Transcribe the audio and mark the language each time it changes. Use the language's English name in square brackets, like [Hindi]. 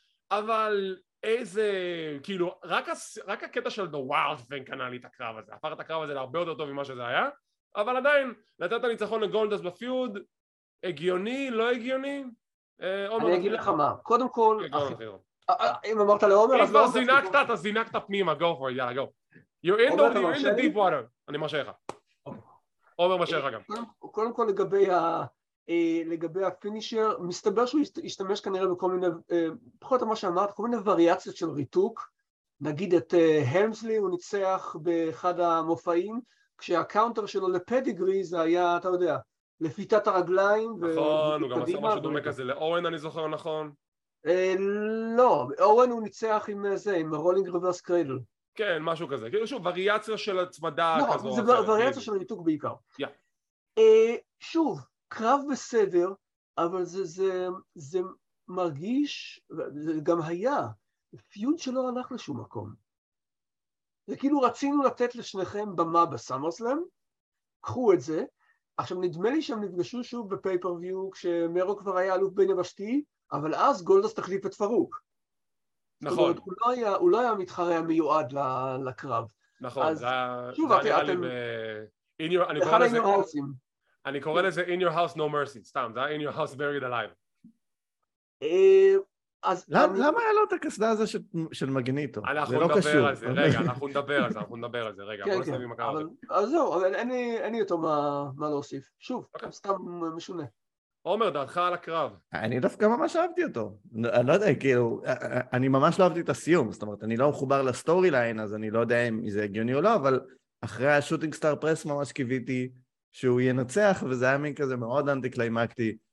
[Hebrew] אבל איזה, כאילו, רק הקטע של The Wild Thing קנה לי את הקרב הזה, הפך את הקרב הזה להרבה יותר טוב ממה שזה היה, אבל עדיין, לתת הניצחון לגולדס בפיוד, הגיוני, לא הגיוני? אני אגיד לך מה, קודם כל, אם אמרת לעומר, אז לא זינקת, אתה זינקת פנימה, [English] go for it, [Hebrew] יאללה, go. [English] You're in the deep water, [Hebrew] אני מרשה לך. עומר מרשה לך גם. קודם כל, לגבי ה... לגבי הפינישר, מסתבר שהוא השתמש כנראה בכל מיני, פחות או מה שאמרת, כל מיני וריאציות של ריתוק, נגיד את הלמסלי, הוא ניצח באחד המופעים, כשהקאונטר שלו לפדיגרי זה היה, אתה יודע, לפיתת הרגליים. נכון, הוא גם עשה משהו דומה כזה לאורן, אני זוכר נכון. לא, אורן הוא ניצח עם זה, עם רולינג רוורס קרדל. כן, משהו כזה, כאילו שוב, וריאציה של הצמדה כזו. נכון, זה וריאציה של ריתוק בעיקר. שוב, קרב בסדר, אבל זה מרגיש, זה גם היה, פיוד שלא הלך לשום מקום. זה כאילו רצינו לתת לשניכם במה בסאמרסלאם, קחו את זה, עכשיו נדמה לי שהם נפגשו שוב בפייפרוויו, כשמרו כבר היה אלוף בין יבשתי, אבל אז גולדס תחליף את פרוק. נכון. זאת אומרת, הוא לא היה המתחרה המיועד לקרב. נכון, אז, שוב, אתם, אני קורא לזה... אני קורא לזה In Your House No Mercy, סתם, זה היה In Your House Buried Alive. למה היה לו את הקסדה הזה של מגניטו? אנחנו נדבר על זה, רגע, אנחנו נדבר על זה. כן, כן, אז זהו, אבל אין לי אותו מה להוסיף. שוב, סתם משונה. עומר, דעתך על הקרב. אני דווקא ממש אהבתי אותו. אני לא יודע, כאילו, אני ממש לא אהבתי את הסיום, זאת אומרת, אני לא מחובר לסטורי ליין, אז אני לא יודע אם זה הגיוני או לא, אבל אחרי השוטינג סטאר פרס ממש קיוויתי שהוא ינצח, וזה היה מין כזה מאוד אנטי-קליימקטי,